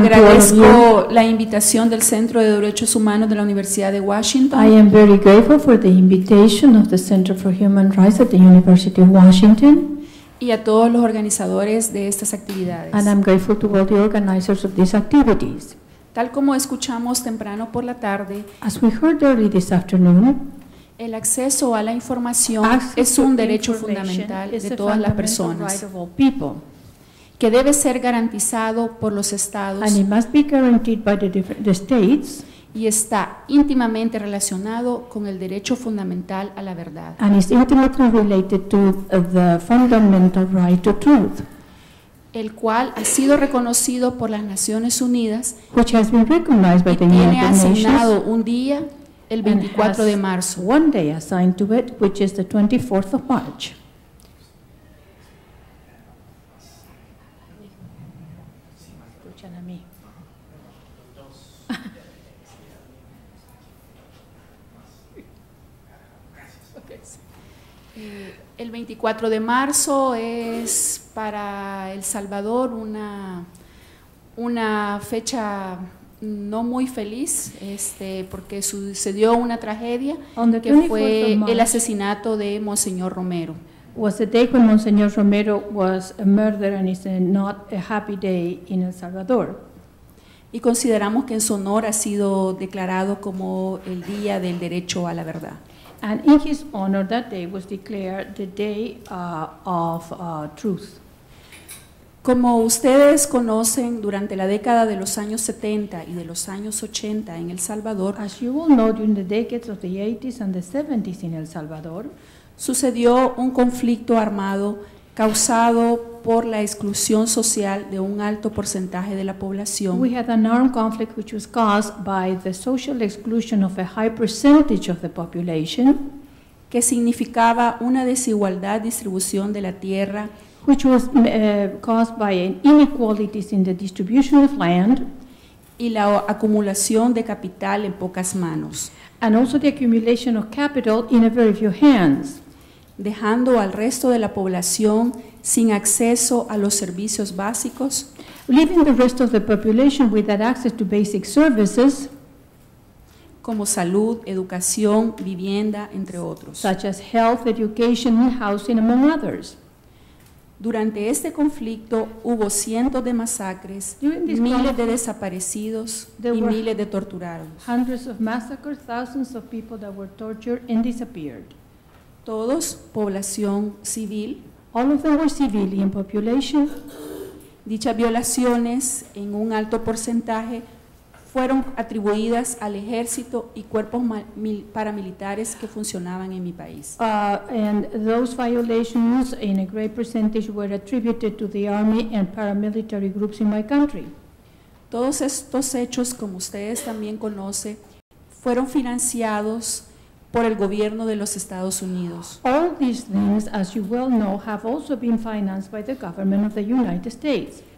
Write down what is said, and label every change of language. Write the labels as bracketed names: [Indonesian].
[Spanish] Agradezco la invitación del Centro de Derechos Humanos de la Universidad de Washington. [English] I am very grateful for the invitation of the Center for Human Rights at the University of Washington. [Spanish] Y a todos los organizadores de estas actividades. [English] And I'm grateful to all the organizers of these activities. [Spanish] Tal como escuchamos temprano por la tarde, [English] as we heard early this afternoon, [Spanish] el acceso a la información es un derecho fundamental de todas las personas. Que debe ser garantizado por los estados, [English] and it must be guaranteed by the states, [Spanish] y está íntimamente relacionado con el derecho fundamental a la verdad. [English] And it's intimately related to the fundamental right to truth, [Spanish] el cual ha sido reconocido por las Naciones Unidas, [English] which has been recognized by the United Nations, [Spanish] y tiene asignado un día, el 24 de marzo, [English] one day assigned to it, which is the 24th of March. [Spanish] El 24 de marzo es para El Salvador una fecha no muy feliz, porque sucedió una tragedia que fue el asesinato de Monseñor Romero. [English] Was the day when Monseñor Romero was murdered, and it's not a happy day in El Salvador. [Spanish] Y consideramos que en su honor ha sido declarado como el día del derecho a la verdad. [English] And in his honor, that day was declared the day of truth. [Spanish] Como ustedes conocen, durante la década de los años 70 y de los años 80 en El Salvador, [English] as you all know, during the decades of the 80s and the 70s in El Salvador, [Spanish] sucedió un conflicto armado causado por la exclusión social de un alto porcentaje de la población. [English] We had an armed conflict which was caused by the social exclusion of a high percentage of the population, [Spanish] que significaba una desigualdad distribución de la tierra, [English] which was caused by inequalities in the distribution of land, [Spanish] y la acumulación de capital en pocas manos. [English] And also the accumulation of capital in a very few hands, [Spanish] dejando al resto de la población sin acceso a los servicios básicos, [English] leaving the rest of the population without access to basic services, [Spanish] como salud, educación, vivienda, entre otros, [English] such as health, education, and housing, among others. [Spanish] Durante este conflicto hubo cientos de masacres, miles de desaparecidos y miles de torturados. [English] Hundreds of massacres, thousands of people that were tortured and disappeared. [Spanish] Todos población civil. [English] All of them were civilian population. [Spanish] Dichas violaciones en un alto porcentaje fueron atribuidas al ejército y cuerpos paramilitares que funcionaban en mi país. [English] And those violations in a great percentage were attributed to the army and paramilitary groups in my country. [Spanish] Todos estos hechos, como ustedes también conocen, fueron financiados por el gobierno de los Estados Unidos. [English] All these things, as you well know, have also been financed by the government of the United States.